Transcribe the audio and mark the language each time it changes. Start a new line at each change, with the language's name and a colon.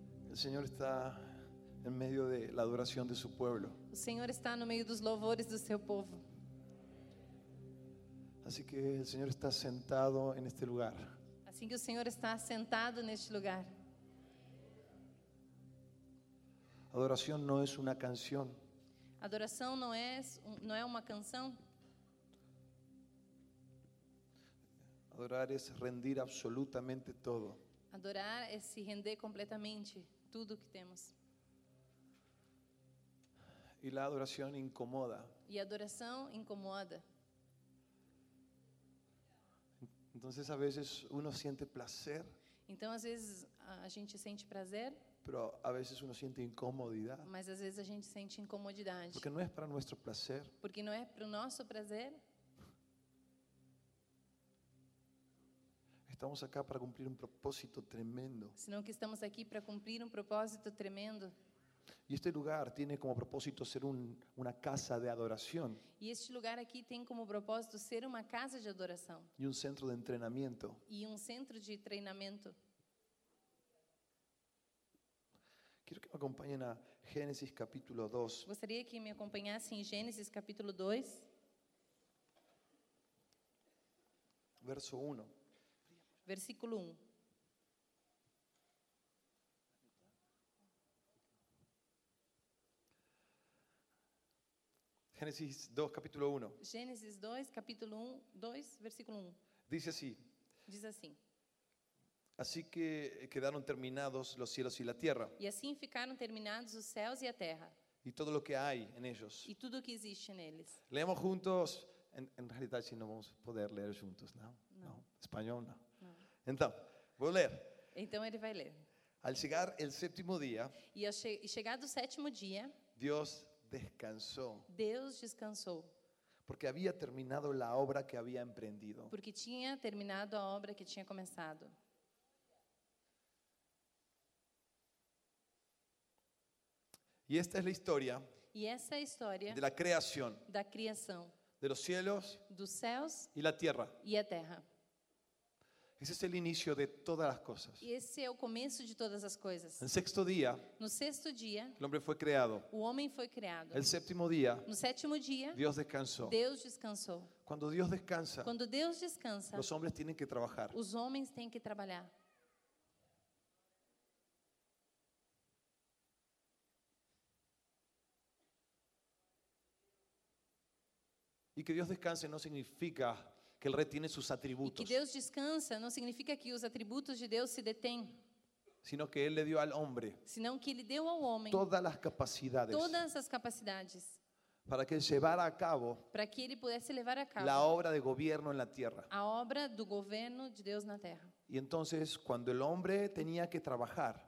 Spanish: El Señor está en medio de la adoración de su pueblo.
Portuguese: O Senhor está no meio dos louvores do seu povo.
Spanish: Así que el Señor está sentado en este lugar.
Portuguese: Assim que o Senhor está sentado neste lugar.
Spanish: Adoración no es una canción.
Portuguese: Adoração não é uma canção.
Spanish: Adorar es rendir absolutamente todo.
Portuguese: Adorar é se render completamente tudo que temos.
Spanish: Y la adoración incomoda.
Portuguese: E a adoração incomoda.
Spanish: Entonces a veces uno siente placer.
Portuguese: Então às vezes a gente sente prazer.
Spanish: Pero a veces uno siente incomodidad.
Portuguese: Mas às vezes a gente sente incomodidade.
Spanish: Porque no es para nuestro placer.
Portuguese: Porque não é pro nosso prazer.
Spanish: Estamos acá para cumplir un propósito tremendo.
Portuguese: Senão que estamos aqui para cumprir um propósito tremendo.
Spanish: Y este lugar tiene como propósito ser una casa de adoración.
Portuguese: E este lugar aqui tem como propósito ser uma casa de adoração.
Spanish: Y un centro de entrenamiento.
Portuguese: E um centro de treinamento.
Spanish: Quiero que me acompañen a Génesis capítulo 2.
Portuguese: Gostaria que me acompanhassem em Gênesis capítulo 2.
Spanish: Verso 1.
Portuguese: Versículo 1.
Spanish: Génesis 2, capítulo 1.
Portuguese: Génesis 2, capítulo 1, 2, versículo 1.
Spanish: Dice así.
Portuguese: Diz assim.
Spanish: Así que quedaron terminados los cielos y la tierra.
Portuguese: E assim ficaram terminados os céus e a terra.
Spanish: Y todo lo que hay en ellos.
Portuguese: E tudo que existe neles.
Spanish: Leemos juntos. En realidad si no vamos a poder leer juntos, ¿no? No. Español, no. Entonces, voy a leer. Entonces él va a leer. Al llegar el séptimo día. Y llegado el séptimo día. Dios descansó.
Portuguese: Deus descansou.
Spanish: Porque había terminado la obra que había emprendido.
Portuguese: Porque tinha terminado a obra que tinha começado.
Spanish: Y esta es la historia.
Portuguese: E essa é a história.
Spanish: De la creación.
Portuguese: Da criação.
Spanish: De los cielos.
Portuguese: Dos céus.
Spanish: Y la tierra.
Portuguese: E a terra.
Spanish: Ese es el inicio de todas las cosas. Y ese es el comienzo de todas las cosas. En sexto día.
Portuguese: No sexto día.
Spanish: El hombre fue creado.
Portuguese: O homem foi criado.
Spanish: El séptimo día.
Portuguese: No sétimo dia.
Spanish: Dios descansó.
Portuguese: Deus descansou.
Spanish: Cuando Dios descansa.
Portuguese: Cuando Deus descansa.
Spanish: Los hombres tienen que trabajar.
Portuguese: Os homens têm que trabalhar.
Spanish: Y que Dios descanse no significa que él retiene sus atributos.
Portuguese: Y que Deus descansa não significa que os atributos de Deus se detêm,
Spanish: sino que él le dio al hombre.
Portuguese: Senão que ele deu ao homem
Spanish: todas las capacidades.
Portuguese: Todas as capacidades.
Spanish: Para que él llevara a cabo.
Portuguese: Para que ele pudesse levar a cabo.
Spanish: La obra de gobierno en la tierra.
Portuguese: A obra do governo de Deus na terra.
Spanish: Y entonces cuando el hombre tenía que trabajar.